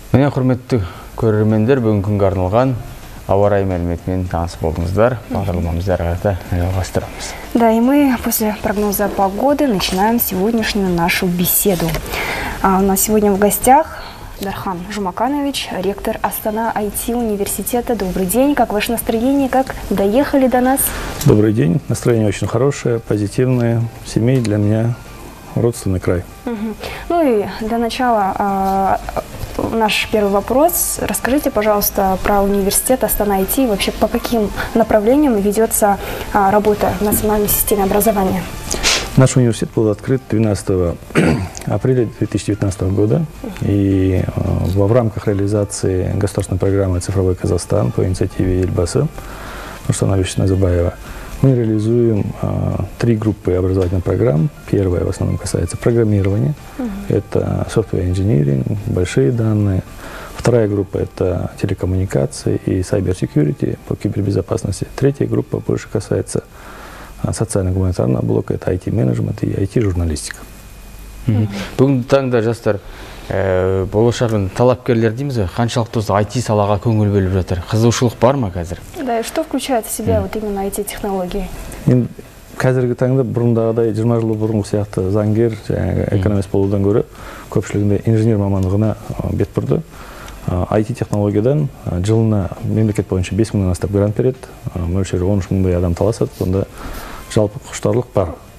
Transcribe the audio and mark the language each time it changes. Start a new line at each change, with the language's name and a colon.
Kazakh: Құрметті көрермендер, бүгінгі арналған ауа райы мәліметімен таныс болыңыздар. Бағдарламамызды әрі қарай жалғастырамыз.
Russian: Да, и мы после прогноза погоды начинаем сегодняшнюю нашу беседу. У нас сегодня в гостях Дархан Жумаканович, ректор Астана IT-университета. Добрый день, как ваше настроение, как доехали до нас? Добрый день, настроение очень хорошее, позитивное, семей для меня родственный край. Ну и для начала наш первый вопрос. Расскажите, пожалуйста, про университет Астана IT. Вообще, по каким направлениям ведется работа в национальной системе образования? Наш университет был открыт 12 апреля 2019 года. И в рамках реализации государственной программы «Цифровой Казахстан» по инициативе Ильбасы Нурсултана Абишевича Назарбаева мы реализуем три группы образовательных программ. Первая в основном касается программирования. Это software engineering, большие данные. Вторая группа – это телекоммуникации и cyber security по кибербезопасности. Третья группа больше касается социально-гуманитарного блока. Это IT-менеджмент и IT-журналистика.
Kazakh: Бүгінгі таңда жастар болашағын талапкерлер дейміз бе? Қаншалықты осы IT салаға көңіл бөліп жатыр? Қызығушылық бар ма қазір?
Russian: Да, и что включает в себя вот именно IT технологии?
Kazakh: Енді қазіргі таңда бұрындағыдай 20 жыл бұрынғы сияқты заңгер, экономист болудан гөрі көпшілігінде инженер мамандығына бет бұрды. IT технологиядан жылына мемлекет бойынша 5000-нан астап грант береді. Мөлшері 13000-дай адам таласады. Сонда жалпы құштарлық бар.